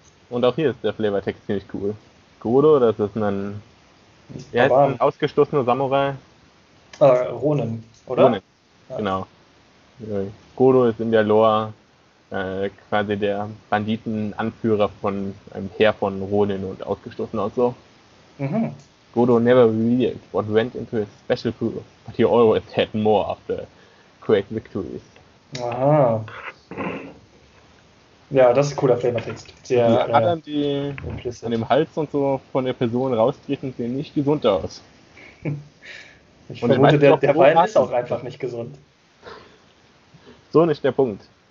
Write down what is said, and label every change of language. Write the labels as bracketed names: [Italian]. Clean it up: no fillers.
[German] Und auch hier ist der Flavortext ziemlich cool. Gudo, das ist ein. Er ist ein ausgestoßener Samurai. Ronin, oder? Ronin, ja. Genau. Gudo ist in der Lore quasi der Banditenanführer von einem Heer von Ronin und ausgestoßen und so. [English] Gudo never revealed what went into his special crew, but he always had more after great victories. Aha. [German] Ja, das ist cooler Flavortext. Die Adern, die implicit an dem Hals und so von der Person raustreten, sehen nicht gesund aus. Ich und vermute, der Wein ist auch einfach nicht gesund. So nicht der Punkt.